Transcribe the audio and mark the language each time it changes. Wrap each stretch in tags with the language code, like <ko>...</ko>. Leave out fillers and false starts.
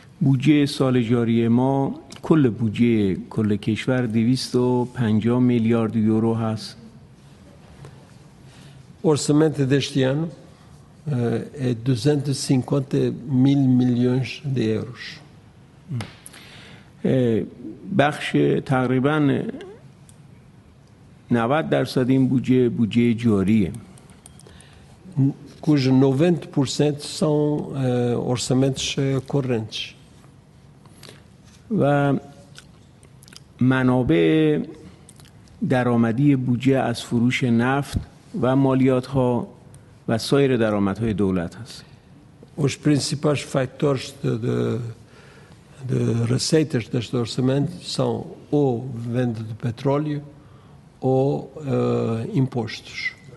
<fa>بودجه سال جاری ما کل بودجه کل کشور 250 میلیارد یورو هست.</fa> <pt>Orçamento deste ano é 250 mil milhões de euros.</pt> <fa>بخش تقریبا 90% این بودجه جاریه.</fa> <pt>Cujo 90% são orçamentos correntes.</pt> <fa>و منابع درآمدی بودجه از فروش نفت و مالیات ها و سایر درآمد های دولت هست.</fa> <pt>Os principais fatores de receitas deste orçamento são ou venda de petróleo ou impostos.</pt>